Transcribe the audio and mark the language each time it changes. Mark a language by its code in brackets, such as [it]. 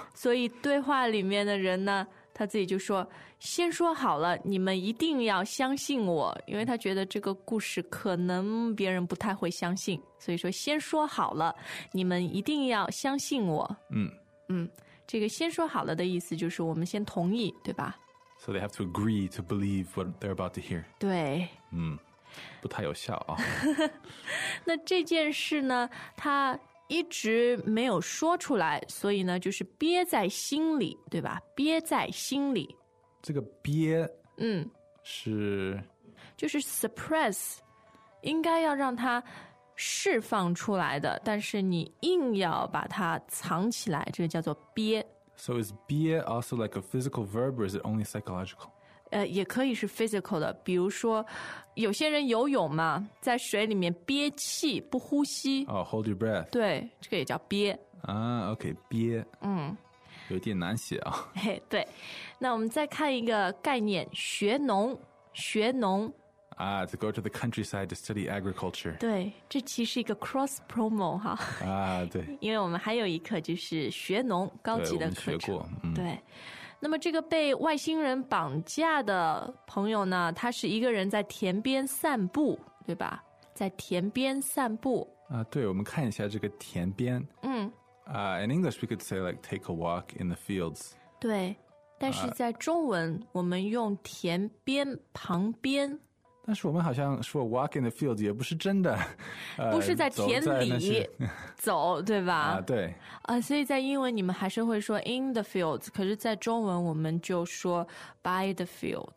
[zh] 所以对话里面的人呢，他自己就说，先说好了，你们一定要相信我，因为他觉得这个故事可能别人不太会相信，所以说先说好了，你们一定要相信我。这个先说好了的意思就是我们先同意，对吧？ [en] So they have to agree to believe what they're about to hear. [zh] 对。不太有效啊。那这件事呢，他一直没有说出来，所以呢，就是憋在心里，对吧？憋在心里。这个憋，是。就是 suppress, 应该要让他释放出来的，但是你硬要把它藏起来，这个叫做憋。 [en] So is 憋 also like a physical verb, or is it only psychological? [zh] 也可以是 physical 的，比如说有些人游泳嘛，在水里面憋气不呼吸。 [en] Oh, hold your breath. [zh] 对，这个也叫憋。 Okay, 憋。有点难写啊。对，那我们再看一个概念，学农，学农。 [en] To go to the countryside to study agriculture. [zh] 对，这其实一个 cross promo 哈。对。因为我们还有一课就是学农高级的课程。对，我们学过。对。那么这个被外星人绑架的朋友呢，他是一个人在田边散步，对吧？在田边散步。对，我们看一下这个田边。 [en] In English, we could say like take a walk in the fields. [zh] 对，但是在中文，我们用田边旁边。但是我们好像说 [en] walk in the field [zh] 也不是真的，不是在田里 走对吧？啊，对。所以在英文你们还是会说 [en] in the field， [zh] 可是在中文我们就说 [en] by the field。